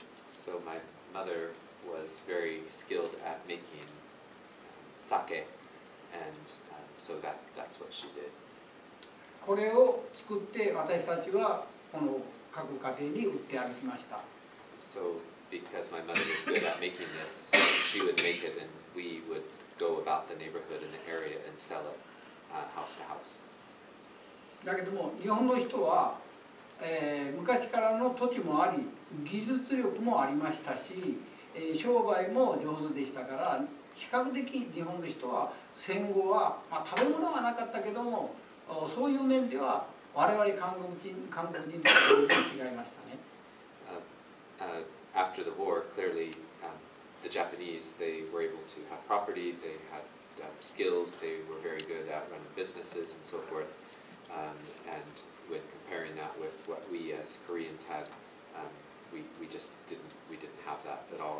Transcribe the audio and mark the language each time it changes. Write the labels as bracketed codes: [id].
[en] So my mother was very skilled at making sake, and so that's what she did. [ja] これを作って私たちはこの各家庭に売って歩きました。 [en] So because my mother was good at making this, she would make it, and we would go about the neighborhood and the area and sell it. House to house. [ja] だけども日本の人は、昔からの土地もあり技術力もありましたし、商売も上手でしたから比較的日本の人は戦後は、食べ物はなかったけどもそういう面では我々韓国人と違いましたね。 [en] after the war, clearly, the Japanese, they were able to have property, they had skills, they were very good at running businesses and so forth. And when comparing that with what we as Koreans had, we just didn't have that at all.